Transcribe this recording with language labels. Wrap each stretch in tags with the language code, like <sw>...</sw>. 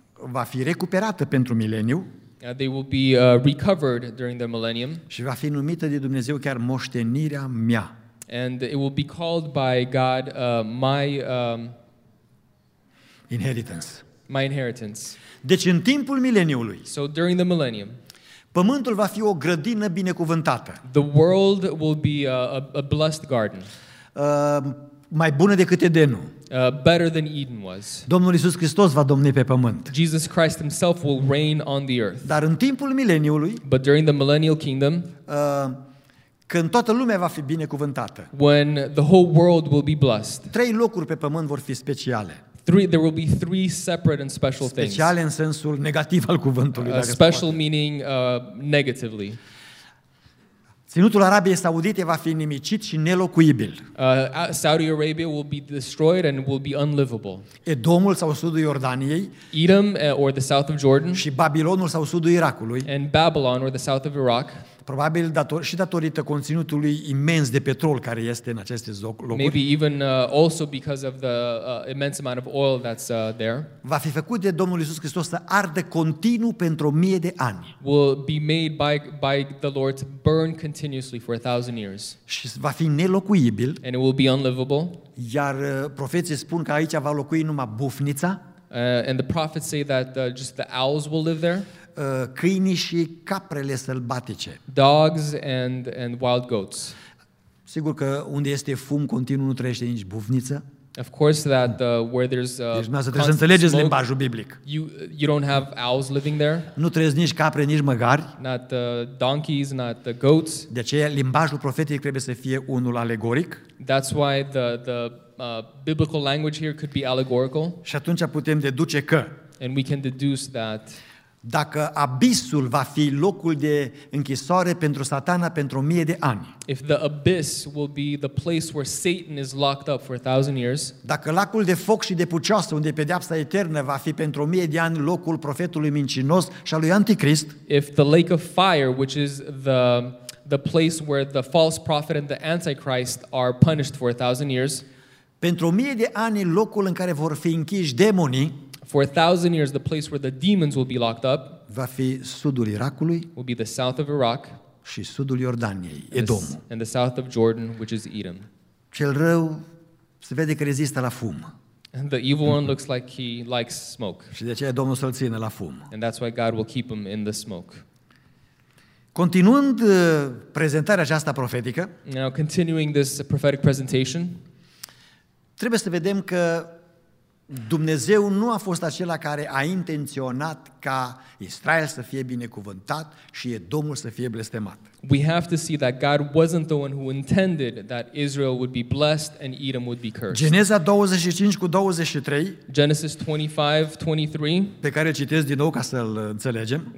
<ro>va fi recuperată pentru mileniu.</ro> <en>They will be recovered during the millennium.</en> <ro>Și va fi numită de Dumnezeu chiar moștenirea mea.</ro> <en>And it will be called by God my inheritance. My inheritance.</en> <ro>Deci în timpul mileniului.</ro> <en>So during the millennium.</en> <ro>Pământul va fi o grădină binecuvântată.</ro> <en>The world will be a blessed garden.</en> <ro>Mai bună decât Edenul.</ro> <en>Better than Eden was.</en> <ro>Domnul Iisus Hristos va domni pe pământ.</ro> <en>Jesus Christ himself will reign on the earth.</en> <ro>Dar în timpul mileniului.</ro> <en>But during the millennial kingdom.</en> <ro>Când toată lumea va fi binecuvântată.</ro> <en>When the whole world will be blessed.</en> <ro>Trei locuri pe pământ vor fi speciale.</ro> <en>There will be three separate and special things.</en> <ro>Speciale în sensul negativ al cuvântului.</ro> <en>Special meaning negatively.</en> <ro>Ținutul Arabiei Saudite va fi nimicit și nelocuibil.</ro> <en>Saudi Arabia will be destroyed and will be unlivable.</en> <ro>Edomul sau sudul Iordaniei.</ro> <en>Edom or the south of Jordan.</en> <ro>Și Babilonul sau sudul Irakului.</ro> <en>And Babylon or the south of Iraq.</en> <ro>Probabil datorită conținutului imens de petrol care este în aceste locuri.</ro> <en>Maybe even also because of the immense amount of oil that's there.</en> <ro>Va fi făcut de Domnul Iisus Hristos să ardă continuu pentru 1000 de ani.</ro> <en>Will be made by the Lord to burn continuously for 1000 years.</en> <ro>Și va fi nelocuibil.</ro> <en>And it will be unlivable.</en> <ro>Iar profeții spun că aici va locui numai bufnița.</ro> <en>And the prophets say that just the owls will live there.</en> <ro>Câinii și caprele sălbatice.</ro> <en>Dogs and wild goats.</en> <ro>Sigur că unde este fum continuu nu trăiește nici bufniță.</ro> <en>Of course that where there's</en> <ro>deci să înțelegeți limbajul biblic.</ro> <en>You don't have owls living there.</en> <ro>Nu trăiesc nici capre, nici măgari.</ro> <en>Not donkeys, not the goats.</en> <ro>De aceea limbajul profetic trebuie să fie unul alegoric.</ro> <en>That's why the biblical language here could be allegorical.</en> <ro>Și atunci putem deduce că</ro> <en>and we can deduce that</en> <ro>dacă abisul va fi locul de închisoare pentru Satana pentru 1000 de ani.</ro> <en>If the abyss will be the place where Satan is locked up for 1000 years.</en> <ro>Dacă lacul de foc și de pucioasă unde pedeapsa eternă va fi pentru 1000 de ani locul profetului mincinos și al lui Anticrist.</ro> <en>If the lake of fire which is the place where the false prophet and the antichrist are punished for 1000 years.</en> <ro>Pentru 1000 de ani locul în care vor fi închiși demonii.</ro> <en>For 1,000 years, the place where the demons will be locked up</en> <ro>va fi sudul Irakului,</ro> <en>will be the south of Iraq</en> <ro>și sudul Iordaniei, Edom.</ro> <en>And the south of Jordan, which is Edom.</en> <ro>Cel rău se vede că rezistă la fum.</ro> <en>And the evil one looks like he likes smoke.</en> <ro>Și de aceea Domnul să-l țină la fum.</ro> <en>And that's why God will keep him in the smoke.</en> <ro>Continuând prezentarea aceasta profetică,</ro> <en>now continuing this prophetic presentation,</en> <ro>trebuie să vedem că Dumnezeu nu a fost acela care a intenționat ca Israel să fie binecuvântat și Edomul să fie blestemat.</ro> <en>We have to see that God wasn't the one who intended that Israel would be blessed and Edom would be cursed.</en> <ro>Geneza 25:23.</ro> <en>Genesis 25:23.</en> <ro>Pe care îl citesc din nou ca să îl înțelegem.</ro>